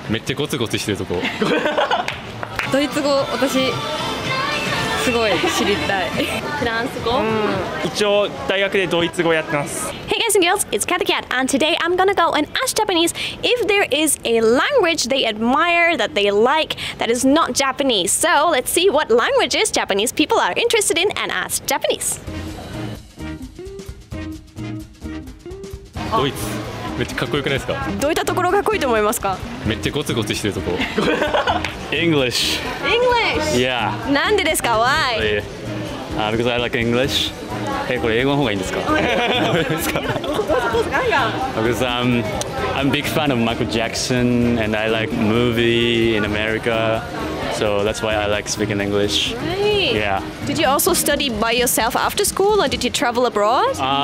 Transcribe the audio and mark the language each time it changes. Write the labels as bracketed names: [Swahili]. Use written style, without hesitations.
[Japanese] めっちゃゴツゴツしてるとこ。ドイツ語私すごい知りたい。フランス語、うん、一応大学でドイツ語やってます。 [English] And girls, it's Cathy Cat, and today I'm gonna go and ask Japanese if there is a language they admire that they like that is not Japanese. So let's see what languages Japanese people are interested in and ask Japanese. [Japanese] ドイツ、めっちゃかっこよくないですか？どういったところかっこいいと思いますか？めっちゃゴツゴツしてるとこ。 [English] English. English. Yeah. [Japanese] なんでですか？Why? [English] Because I like English. [Japanese] Hey, これ英語の方がいいんですか？ [English] Because I'm a big fan of Michael Jackson and I like movie in America. So that's why I like speaking English. Right. Yeah. Did you also study by yourself after school or did you travel abroad?